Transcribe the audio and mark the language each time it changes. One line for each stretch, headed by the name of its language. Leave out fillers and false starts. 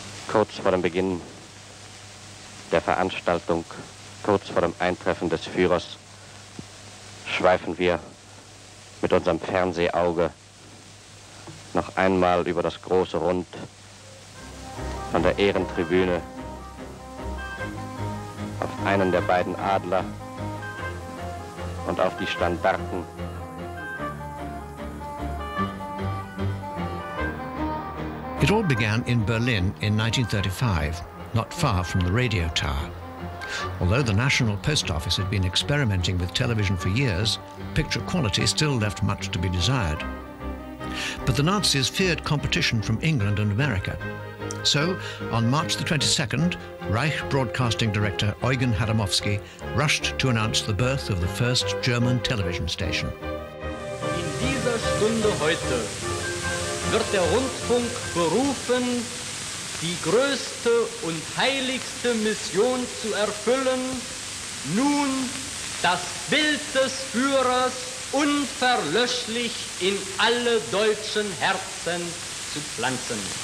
German: Kurz vor dem Beginn der Veranstaltung, kurz vor dem Eintreffen des Führers, schweifen wir mit unserem Fernsehauge noch einmal über das große Rund von der Ehrentribüne auf einen der beiden Adler und auf die Standarten.
English: It all began in Berlin in 1935, not far from the radio tower. Although the National Post Office had been experimenting with television for years, picture quality still left much to be desired. But the Nazis feared competition from England and America. So, on March the 22nd, Reich broadcasting director Eugen Hadamowski rushed to announce the birth of the first German television station.
German: In dieser Stunde heute wird der Rundfunk berufen, die größte und heiligste Mission zu erfüllen, nun das Bild des Führers unverlöschlich in alle deutschen Herzen zu pflanzen.